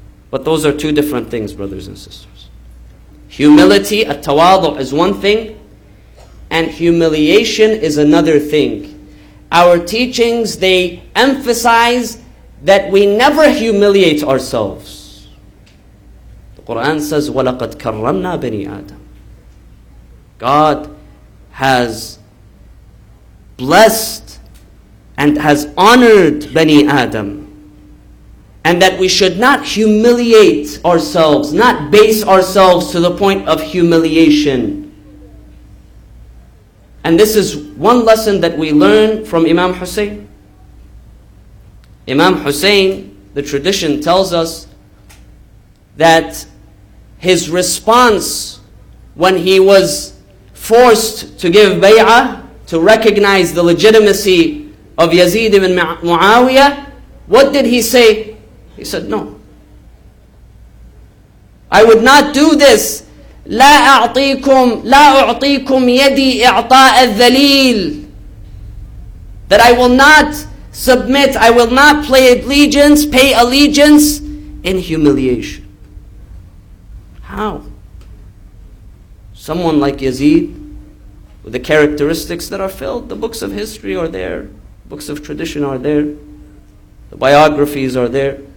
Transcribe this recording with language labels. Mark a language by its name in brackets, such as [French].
[English] But those are two different things, brothers and sisters. Humility, at-tawadu, is one thing, and humiliation is another thing. Our teachings, they emphasize that we never humiliate ourselves. The Quran says, [Arabic] وَلَقَدْ كَرَّمْنَا بَنِي آدَمَ. [English] God has blessed and has honored Bani Adam, and that we should not humiliate ourselves, not base ourselves to the point of humiliation. And this is one lesson that we learn from Imam Hussein. Imam Hussein, the tradition tells us that his response when he was forced to give bay'ah, to recognize the legitimacy of Yazid ibn Muawiyah, what did he say? He said, no. I would not do this. [Arabic] لا أعطيكم يدي إعطاء الذليل. [English] That I will not submit, I will not pay allegiance in humiliation. How? Someone like Yazid, with the characteristics that are filled, the books of history are there, books of tradition are there, the biographies are there.